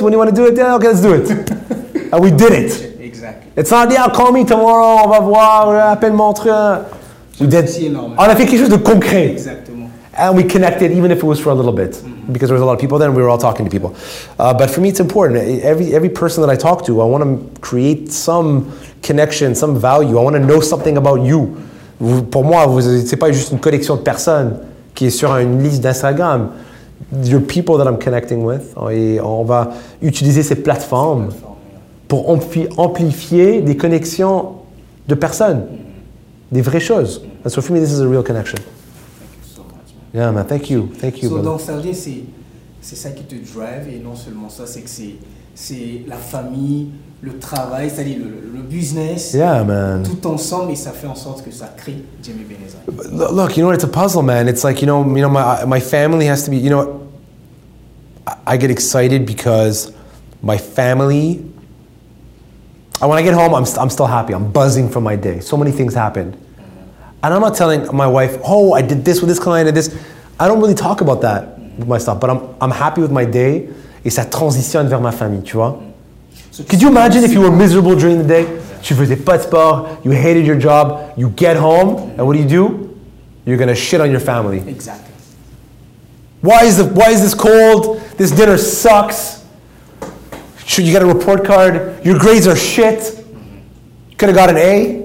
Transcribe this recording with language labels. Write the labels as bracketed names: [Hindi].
[English] When you want to do it, yeah, okay, let's do it. And we did it. Exactly. It's not, yeah, call me tomorrow. [French] On va voir, on va à peine montrer. [English] We did. [French] On a fait quelque chose de concret. [English] Exactly. And we connected, even if it was for a little bit, mm-hmm. because there was a lot of people there and we were all talking to people. But for me, it's important. Every person that I talk to, I want to create some connection, some value. I want to know something about you. [French] Pour moi, ce n'est pas juste une collection de personnes qui est sur une liste d'Instagram. [English] You're people that I'm connecting with. [French] Et on va utiliser ces plateformes pour amplifier des connexions de personnes, des vraies choses. [English] And so for me, this is a real connection. Thank you so much, man. Yeah, man, thank you. Thank you. [French] So, donc, Sergi, c'est ça qui te drive. Et non seulement ça, c'est que c'est la famille, le travail, c'est-à-dire le business. [English] Yeah, man. [French] Tout ensemble, et ça fait en sorte que ça crée Jimmy Beneza. [English] Look, you know, it's a puzzle, man. It's like, you know, my family has to be, you know, I get excited because my family... When I get home, I'm still happy. I'm buzzing from my day. So many things happened. And I'm not telling my wife, oh, I did this with this client and this. I don't really talk about that with my stuff. But I'm happy with my day. [French] Et ça transitionne vers ma famille, tu vois. [English] Could you imagine if you were miserable during the day? [French] Tu faisais pas de sport. [English] You hated your job. You get home. And what do? You're going to shit on your family. Exactly. Why is this cold? This dinner sucks. Should you get a report card? Your grades are shit. Could have got an A.